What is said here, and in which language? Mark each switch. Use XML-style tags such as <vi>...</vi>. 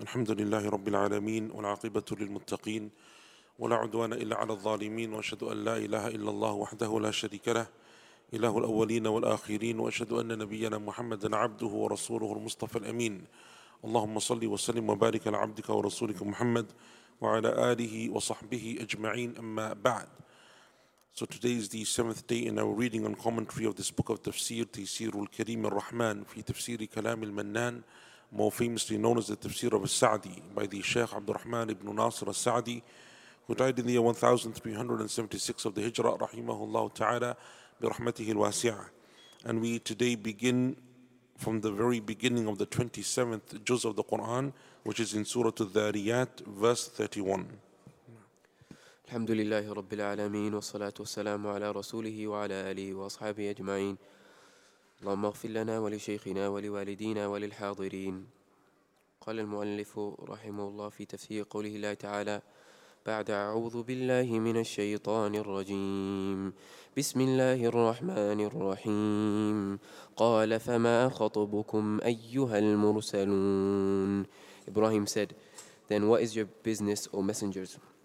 <ar>الحمد لله رب العالمين، والعاقبة للمتقين، ولا عدوان إلا على الظالمين. وأشهد أن لا إله إلا الله وحده لا شريك له، إله الأولين والآخرين. وأشهد أن نبينا محمد عبده ورسوله المصطفى الأمين. اللهم صلِّ وسلِّم وبارك على عبدك ورسولك محمد وعلى آله وصحبه أجمعين. أما بعد،</ar> <en>so today is the seventh day in our reading and commentary of this book of Tafsir, Tafsir al-Karim al-Rahman, fi Tafsir Kalam al-Mannan, more famously known as the Tafsir of al-Sa'di, by the Shaykh Abdul Rahman ibn Nasir al-Sa'di, who died in the year 1376 of the Hijra, rahimahullah ta'ala, bi rahmatihi al-wasi'ah. And we today begin from the very beginning of the 27th juz of the Quran, which is in Surah al-Dhariyat, verse 31.</en> <ar>الحمد لله رب العالمين والصلاة والسلام على رسوله وعلى آله وأصحابه أجمعين اللهم اغفر لنا ولشيخنا ولوالدينا وللحاضرين. قال المؤلف رحمه الله في تفسير قوله الله تعالى بعد أعوذ بالله من الشيطان الرجيم بسم الله الرحمن الرحيم قال فما خطبكم أيها المرسلون.</ar> <en>إبراهيم said, then what is your business, O messengers?</en>